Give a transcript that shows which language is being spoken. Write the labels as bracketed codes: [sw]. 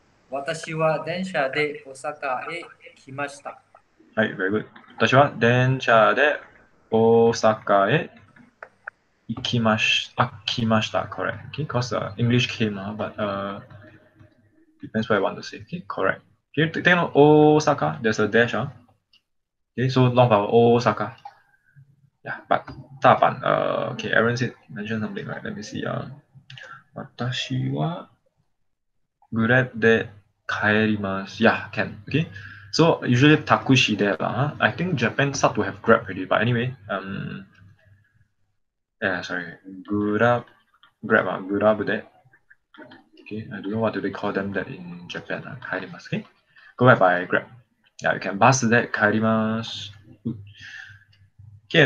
[ja] 私は電車で大阪へ来ました。はい、 [en] very good. [ja] 私は電車で大阪へ行きました。来ました、 [en] correct. Okay, because English came, but depends what I want to say. Okay, correct. Okay, take note, 大阪, there's a dash. Okay, so long vowel, 大阪. Yeah, but 大阪, okay, Aaron said, mentioned something, right? Let me see. [ja] 私はグレッで帰ります。 [en] Yeah, can. Okay. So usually [ja] takushi de [en] la. I think Japan start to have Grab already. But anyway, Grab de. Okay. I don't know what do they call them that in Japan. [ja] Kaerimasu. [en] Okay. Go back by Grab. Yeah, you can [ja] bus de kaerimasu. [en] Okay.